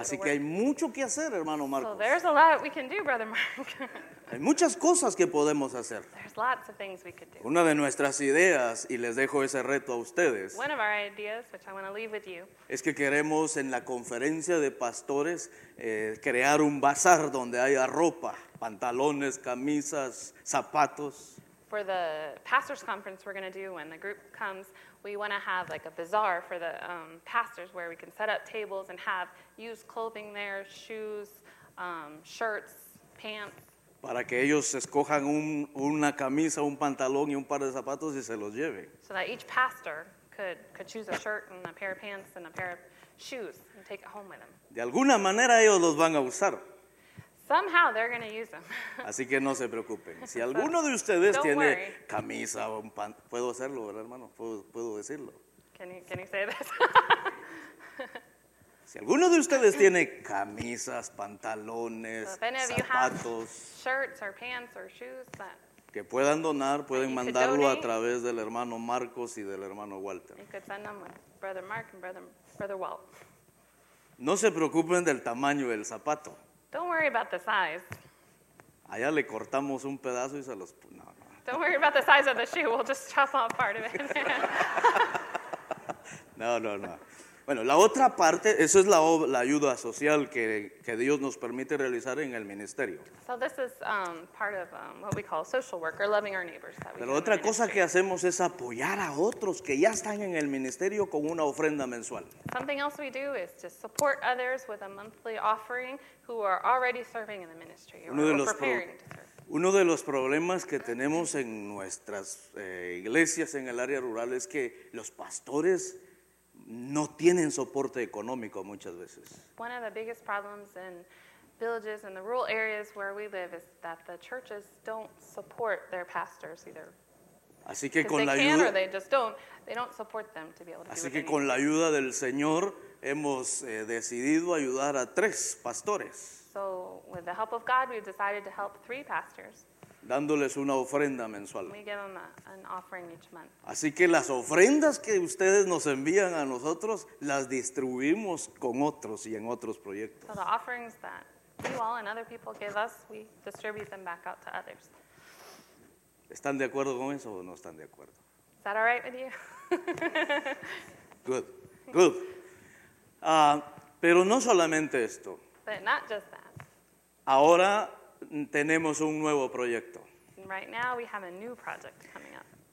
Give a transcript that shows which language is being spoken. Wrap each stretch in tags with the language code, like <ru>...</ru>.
<es>Así que hay mucho que hacer, hermano Marcos.</es> <en>So there's a lot we can do, brother Mark.</en> <es>Hay muchas cosas que podemos hacer.</es> <en>There's lots of things we could do.</en> <es>Una de nuestras ideas, y les dejo ese reto a ustedes,</es> <en>one of our ideas, which I want to leave with you,</en> <es>es que queremos en la conferencia de pastores crear un bazar donde haya ropa, pantalones, camisas, zapatos.</es> <en>For the pastor's conference we're going to do when the group comes, we want to have like a bazaar for the pastors where we can set up tables and have used clothing there, shoes, shirts, pants.</en> <es>Para que ellos escojan una camisa, un pantalón y un par de zapatos y se los lleven.</es> <en>So that each pastor could choose a shirt and a pair of pants and a pair of shoes and take it home with them.</en> <es>De alguna manera ellos los van a usar.</es> <en>Somehow they're going to use them.</en> <es>Así que no se preocupen. Si alguno de ustedes tiene camisa o un pan, puedo hacerlo, ¿verdad, hermano? Puedo decirlo.</es> <en>Can you say this?</en> <es>Si alguno de ustedes tiene camisas, pantalones, zapatos,</es> <en>shirts or pants or shoes that</en> <es>que puedan donar, pueden mandarlo a través del hermano Marcos y del hermano Walter.</es> <en>You could send them with brother Mark and brother Walt.</en> <es>No se preocupen del tamaño del zapato.</es> <en>Don't worry about the size.</en> <es>Allá le cortamos un pedazo y se los no.</es> <en>Don't worry about the size of the shoe. We'll just chop off part of it.</en> <es>No. Bueno, la otra parte, eso es la ayuda social que Dios nos permite realizar en el ministerio.</es> <en>So this is part of what we call social work, or loving our neighbors.</en> <es>Pero otra cosa que hacemos es apoyar a otros que ya están en el ministerio con una ofrenda mensual.</es> <en>Something else we do is to support others with a monthly offering who are already serving in the ministry or preparing to serve.</en> <es>Uno de los problemas que tenemos en nuestras iglesias en el área rural es que los pastores no tienen soporte económico muchas veces.</es> <en>One of the biggest problems in villages and the rural areas where we live is that the churches don't support their pastors either.</en> <es>Así que con la ayuda,</es> <en>they just don't. They don't support them to be able to.</en> <es>Así que con la ayuda del Señor hemos decidido ayudar a tres pastores.</es> <en>So with the help of God, we've decided to help three pastors.</en> <es>Dándoles una ofrenda mensual.</es> <en>We give them an offering each month.</en> <es>Así que las ofrendas que ustedes nos envían a nosotros las distribuimos con otros y en otros proyectos.</es> <en>So the offerings that you all and other people give us, we distribute them back out to others.</en> <es>¿Están de acuerdo con eso o no están de acuerdo?</es> <en>Is that all right with you?</en> <es>Good. Pero no solamente esto.</es> <en>But not just that.</en> <es>Ahora tenemos un nuevo proyecto.</es> <en>Right now we have a new project coming up.</en>